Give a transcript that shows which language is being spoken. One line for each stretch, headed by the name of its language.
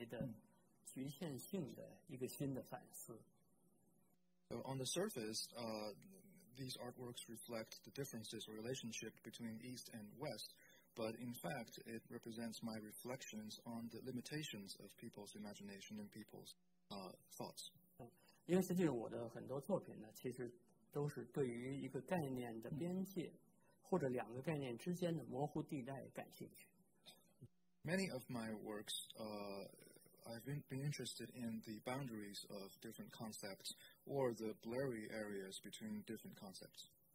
Chinese: 但是它表面好像是在谈东西之间的关系，但实际上呢，这个作品我更感兴趣的是对我们人类思维的局限性的一个新的反思。
English: So on the surface, these artworks reflect the differences or relationship between East and West, but in fact, it represents my reflections on the limitations of people's imagination and people's thoughts.
Chinese: 因为实际上我的很多作品呢，其实都是对于一个概念的边界或者两个概念之间的模糊地带感兴趣。
English: Many of my works, I've been interested in the boundaries of different concepts or the blurry areas between different concepts.